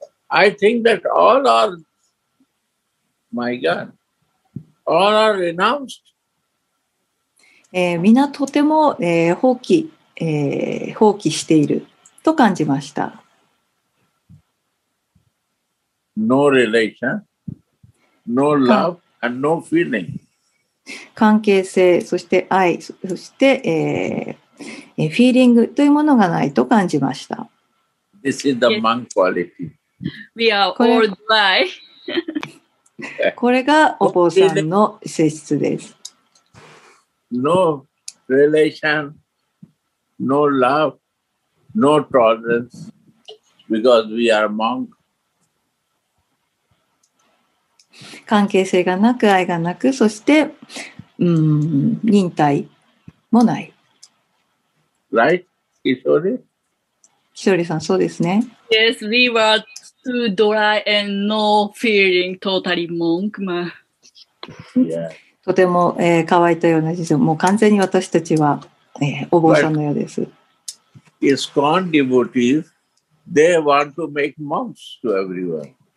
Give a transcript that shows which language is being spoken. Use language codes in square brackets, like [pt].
[en] I think that all areMy God, all are renounced. [ja] みんなとても、放棄していると感じました。 [en] No relation, no love, and no feeling. [ja] 関係性、そして愛、そして、フィーリングというものがないと感じました。 [en] This is the monk quality. We are all dry. [ja] これがお坊さんの性質です。 [en] No relation, no love, no tolerance, because we are monk. [ja] 関係性がなく、愛がなく、そして、忍耐もない。 [en] Right, Kishori? [ja] Kishori さん、そうですね。 [en] Yes, we were. Too dry and no feeling, totally monk. [ja] とても、乾いたような人生、もう完全に私たちは、お坊さんのようです。 [en] ISKCON devotees, they want to make monks to everyone.